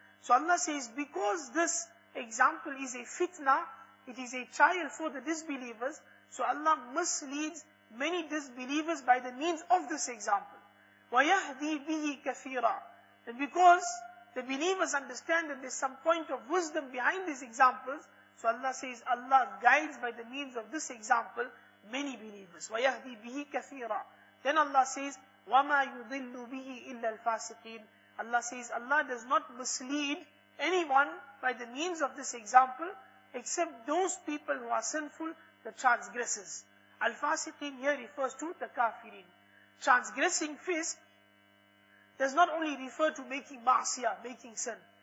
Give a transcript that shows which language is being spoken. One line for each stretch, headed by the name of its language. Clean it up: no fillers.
English: So Allah says, because this example is a fitna, it is a trial for the disbelievers, so Allah misleads many disbelievers by the means of this example.
Arabic: وَيَهْدِي بِهِ كَثِيرًا.
English: And because the believers understand that there's some point of wisdom behind these examples, so Allah says, Allah guides by the means of this example many believers.
Arabic: وَيَهْدِي بِهِ كَثِيرًا.
English: Then Allah says,
Arabic: وَمَا يُضِلُّ بِهِ إِلَّا الْفَاسِقِينَ.
English: Allah says, Allah does not mislead anyone by the means of this example, except those people who are sinful, the transgressors. Al-Fasiqin here refers to the kafirin. Transgressing fisk does not only refer to making ma'asiyah, making sin.